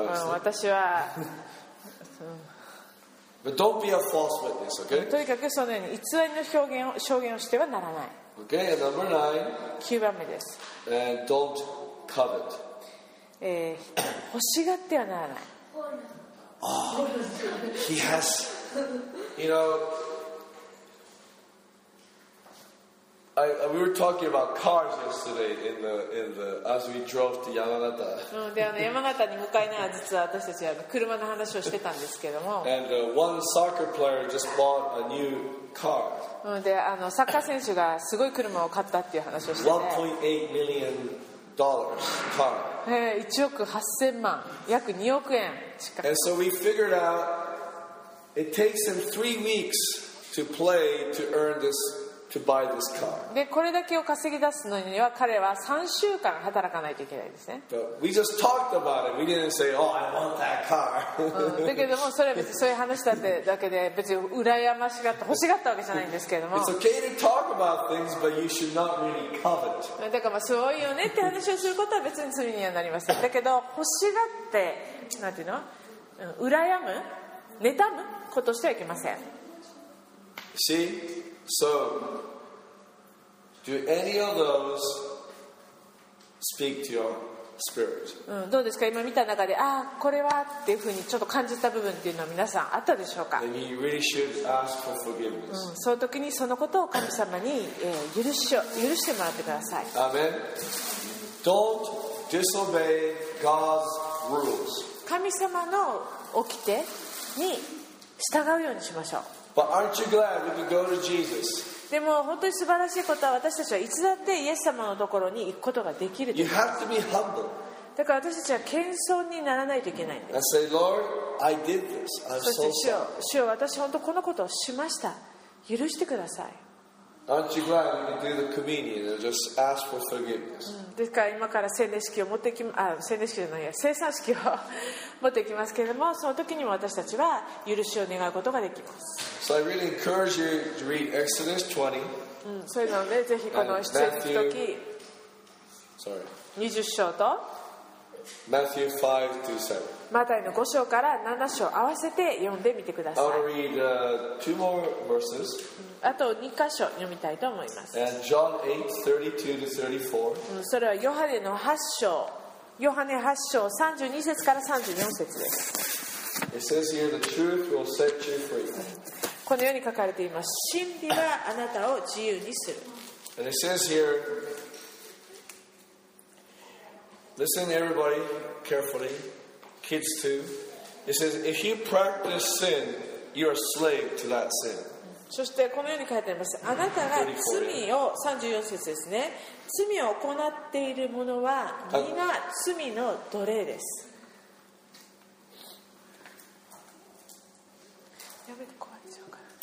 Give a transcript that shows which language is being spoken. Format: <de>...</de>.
<ja>私は。</ja> <en>But don't be a false witness, okay?</en> <ja>とにかくそのように偽りの証言をしてはならない。</ja> <en>Okay, and number nine.</en> <ja>9番目です。</ja> <en>And don't covet.</en> <ja>欲しがってはならない。</ja> <en>Oh, he has, you know, we were talking about cars yesterday in the as we drove to Yamanata.</en> <ja>で、山形に向かいながら実は私たち車の話をしてたんですけども。</ja> <en>And one soccer player just bought a new car.</en> <ja>で、サッカー選手がすごい車を買ったっていう話をしてて。</ja> <en>$1.8 million.</en> <ja>$1,800,000, 約2億円近く。</ja> <en>And so we figured out it takes them 3 weeks to play to earn this to buy this car.</en> <ja>で、これだけを稼ぎ出すのには彼は3週間働かないといけないですね。</ja> <en>But we just talked about it. We didn't say, oh, I want that car. 、</en> <ja>だけどもそれは別にそういう話だってだけで別に羨ましがった欲しがったわけじゃないんですけれども。</ja> <en>It's okay to talk about things, but you should not really covet.</en> <ja>だからまあそういうよねって話をすることは別に罪にはなりません。だけど欲しがってなんていうの、羨む、妬むことしてはいけません。</ja> <en>See? So, do any of those speak to your spirit?</en> <ja>どうですか？今見た中で、ああこれはっていうふうにちょっと感じた部分っていうのは皆さんあったでしょうか？</ja> <en>Then you really should ask for forgiveness.</en> <ja>その時にそのことを神様に許してもらってください。</ja> <en>Amen. Don't disobey God's rules.</en> <ja>神様の掟に従うようにしましょう。</ja> <en>But aren't you glad we can go to Jesus?</en> <ja>でも本当に素晴らしいことは私たちはいつだってイエス様のところに行くことができる。</ja> <en>You have to be humble.</en> <ja>だから私たちは謙遜にならないといけないんです。</ja> <en>And say, Lord, I did this. I'm so sorry.</en> <ja>主よ、私本当このことをしました。許してください。</ja> <en>Aren't you glad we can do the communion and just ask for forgiveness?</en> <ja>ですから今から洗礼式を持ってき、洗礼式じゃないや、聖餐式を持っていきますけれども、その時にも私たちは許しを願うことができます。</ja> <en>So I really encourage you to read Exodus 20.</en> <ja>それなのでぜひこの出エジプト記、20章と</ja> <en>Matthew 5 to 7.</en> <ja>マタイの5章から7章合わせて読んでみてください。</ja> <en>I'll read two more verses.</en> <ja>あと2箇所読みたいと思います。</ja> <en>And John 8:32-34.</en> <ja>それはヨハネの8章、ヨハネ8章32節から34節です。</ja> <en>It says here the truth will set you free.</en> <ja>このように書かれています。真理はあなたを自由にする。</ja> <en>And it says here, listen everybody carefully, kids too. It says if you practice sin, you are a slave to that sin.</en> <ja>そしてこのように書いてあります。あなたが罪を、34節ですね、罪を行っているものは皆罪の奴隷です。やめて、怖いでしょうか。</ja>